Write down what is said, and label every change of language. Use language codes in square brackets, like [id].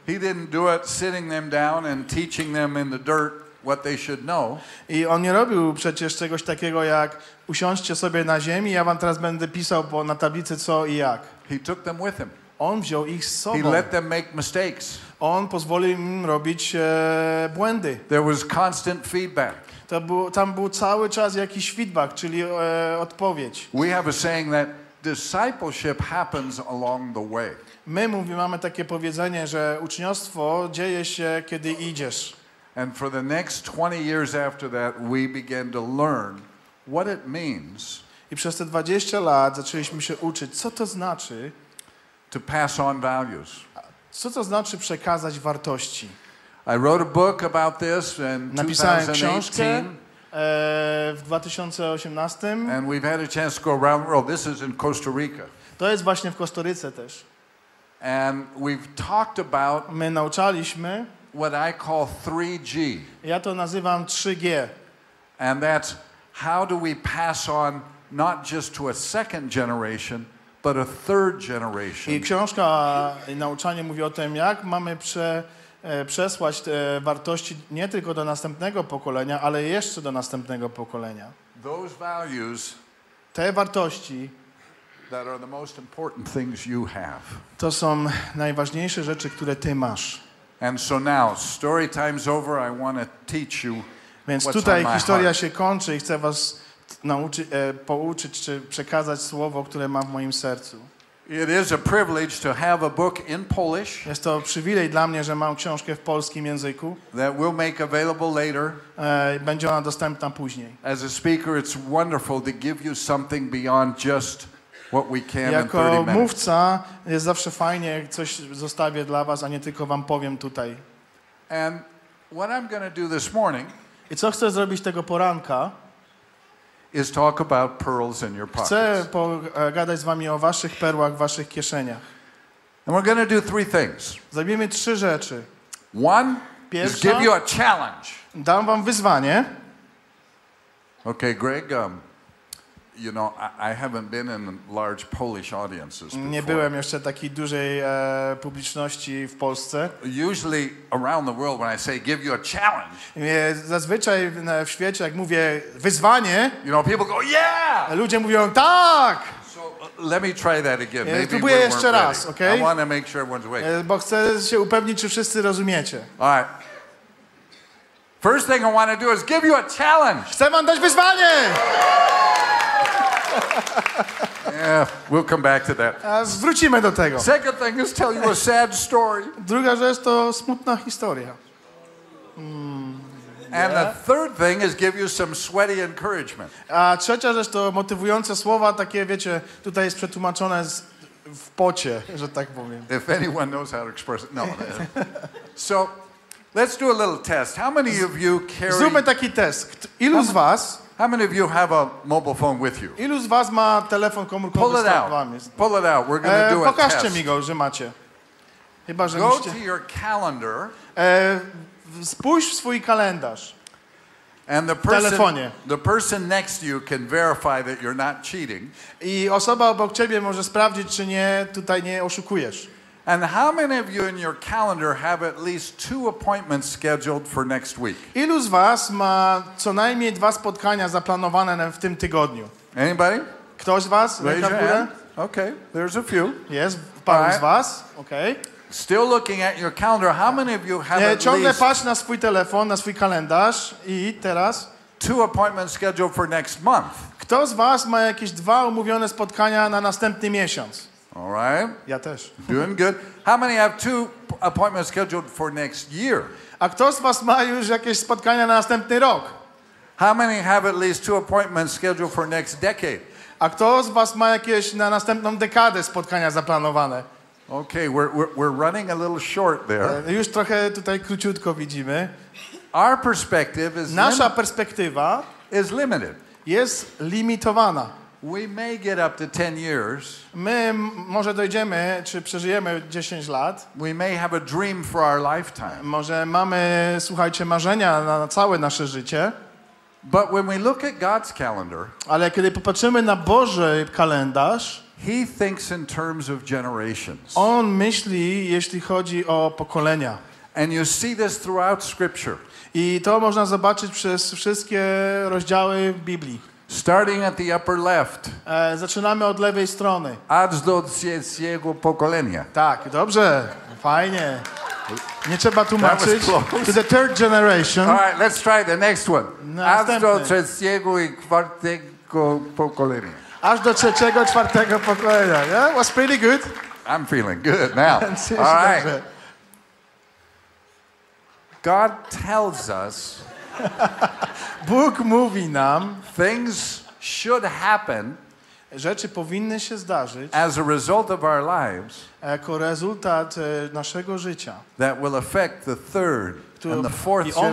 [en] He didn't do it sitting them down and teaching them in the dirt what they should know. [pl] I on nie robił przecież czegoś takiego jak usiądźcie sobie na ziemi, ja wam teraz będę pisał na tablicy co i jak. [en] He took them with him. [pl] On wziął ich z sobą. [en] He let them make mistakes. [pl] On pozwolił im robić błędy. [en] There was constant feedback. [pl] Tam był cały czas jakiś feedback, czyli odpowiedź. [en] We have a saying that discipleship happens along the way. [pl] My mówimy, mamy takie powiedzenie, że uczniostwo dzieje się, kiedy idziesz. [en] And for the next 20 years after that, we began to learn what it means. [pl] I przez te 20 lat zaczęliśmy się uczyć, co to znaczy [en] to pass on values. [pl] Co to znaczy przekazać wartości? [en] I wrote a book about this in 2018. [pl] W 2018. [en] And we've had a chance to go around the world. This is in Costa Rica. [pl] To jest właśnie w Kostaryce też. [en] And we've talked about. [pl] My nauczaliśmy. [en] What I call 3G. [pl] Ja to nazywam 3G. [en] And that's how do we pass on not just to a second generation, but a third generation. [pl] I książka i nauczanie mówi o tym, jak mamy przesłać te wartości nie tylko do następnego pokolenia, ale jeszcze do następnego pokolenia. [en] Those values, [pl] te wartości [en] that are the most important things you have. [pl] To są najważniejsze rzeczy, które ty masz. [en] And so now, story time's over, I want to teach you what's on my heart. [pl] Więc tutaj historia się kończy i chcę was pouczyć czy przekazać słowo, które mam w moim sercu. [en] It is a privilege to have a book in Polish. [pl] Jest to przywilej dla mnie, że mam książkę w polskim języku. [en] That we'll make available later. [pl] Będzie ona dostępna później. [en] As a speaker, it's wonderful to give you something beyond just what we can in 30 minutes. [pl] Jako mówca jest zawsze fajnie, jak coś zostawię dla was, a nie tylko wam powiem tutaj. [en] And what I'm going to do this morning. [pl] I co chcę zrobić tego poranka? [en] Is talk about pearls in your pockets. [pl] Chcę pogadać z wami o waszych perłach w waszych kieszeniach. [en] And we're going to do three things. [pl] Zrobimy trzy rzeczy. [en] One, [pl] pierwsza, [en] is give you a challenge. [pl] Dam wam wyzwanie. [en] Okay, Greg, you know, I haven't been in large Polish audiences before. [pl] Nie byłem jeszcze takiej dużej publiczności w Polsce. [en] Usually around the world when I say give you a challenge. [pl] Zazwyczaj w świecie jak mówię wyzwanie, [en] you know, people go yeah. [pl] Ludzie mówią tak. [en] So let me try that again. Maybe [pl] próbuję jeszcze raz, okay? [en] I want to make sure everyone's awake. [pl] Bo chcę się upewnić, czy wszyscy rozumiecie. [en] All right. First thing I want to do is give you a challenge. [pl] Chcę wam dać wyzwanie. [en] Yeah, we'll come back to that. [pl] Wrócimy do tego. [en] Second thing is tell you a sad story. [pl] Druga rzecz to smutna historia. [en] And the third thing is give you some sweaty encouragement. [pl] A trzecia rzecz to motywujące słowa, takie wiecie, tutaj jest przetłumaczone z w pocie, że tak powiem. [en] If anyone knows how to express it. No. So, let's do a little test. How many of you carry? [pl] Zróbmy taki test. Ilu z was? [en] How many of you have a mobile phone with you? [pl] Ilu z was ma telefon komórkowy z wami? [en] Pull it out. We're going to do a test. [pl] Pokażcie mi go, że macie. Chyba, że [en] go to your calendar. [pl] Spójrz w swój kalendarz. [en] And the person next to you can verify that you're not cheating. [pl] I osoba obok ciebie może sprawdzić, czy nie tutaj nie oszukujesz. [en] And how many of you in your calendar have at least two appointments scheduled for next week? [pl] Ilu z was ma co najmniej dwa spotkania zaplanowane w tym tygodniu? [en] Anybody? [pl] Ktoś z was? [en] Raise your hand. Okay, there's a few. [pl] Yes, paru z was. Okay. [en] Still looking at your calendar, how many of you have at least... [pl] Ciągle patrz na swój telefon, na swój kalendarz i teraz... [en] Two appointments scheduled for next month. [pl] Kto z was ma jakieś dwa umówione spotkania na następny miesiąc? [en] All right. [pl] Ja też. [en] Doing good. How many have two appointments scheduled for next year? [pl] A kto z was ma już jakieś spotkania na następny rok? [en] How many have at least two appointments scheduled for next decade? [pl] A kto z was ma jakieś na następną dekadę spotkania zaplanowane? [en] Okay, we're running a little short there. [pl] Już trochę tutaj króciutko widzimy. [en] Our perspective is [pl] nasza perspektywa [en] is limited. [pl] Jest limitowana. [en] We may get up to 10 years. [pl] My może dojdziemy, czy przeżyjemy 10 lat. [en] We may have a dream for our lifetime. [pl] Może mamy, słuchajcie, marzenia na całe nasze życie. [en] But when we look at God's calendar, [pl] ale kiedy popatrzymy na Boży kalendarz, [en] He thinks in terms of generations. [pl] On myśli, jeśli chodzi o pokolenia. [en] And you see this throughout Scripture. [pl] I to można zobaczyć przez wszystkie rozdziały w Biblii. [en] Starting at the upper left. [pl] Zaczynamy od lewej strony. Aż do jego pokolenia. Tak, dobrze, fajnie. Nie trzeba tłumaczyć. [en] To the third generation. All right, let's try the next one. [pl] Aż do trzeciego i czwartego pokolenia. Aż do trzeciego i czwartego pokolenia. [en] Yeah, was pretty good. I'm feeling good now. All right. God tells us. [pl] Bóg mówi nam. [en] Things should happen. [pl] Rzeczy powinny się zdarzyć. [en] As a result of our lives. [pl] Jako rezultat naszego życia. [en] That will affect the third and the fourth generation.